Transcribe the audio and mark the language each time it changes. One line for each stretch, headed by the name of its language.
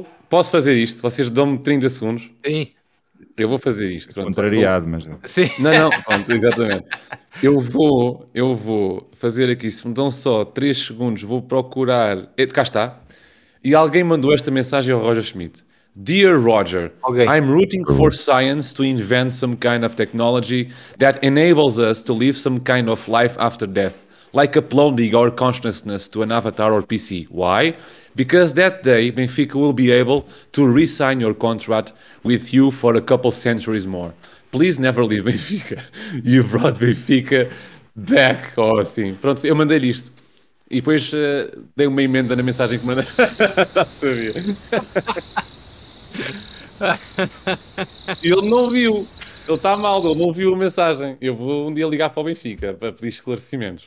Portuguese: Posso fazer isto, vocês dão-me 30 segundos. Sim. Eu vou fazer isto. Pronto. Contrariado, mas não. Sim. Não, pronto, exatamente. Eu vou fazer aqui, se me dão só 3 segundos, vou procurar... Cá está. E alguém mandou esta mensagem ao Roger Schmidt.
English: Dear Roger, okay. I'm rooting for science to invent some kind of technology that enables us to live some kind of life after death, like uploading our consciousness to an avatar or PC. Why? Because that day, Benfica will be able to re-sign your contract with you for a couple centuries more. Please never leave Benfica. You brought Benfica back.
Portuguese: Oh, sim. Pronto, eu mandei-lhe isto. E depois dei uma emenda na mensagem que mandei. Não sabia. Ele não viu. Ele está mal, ele não viu a mensagem. Eu vou um dia ligar para o Benfica para pedir esclarecimentos.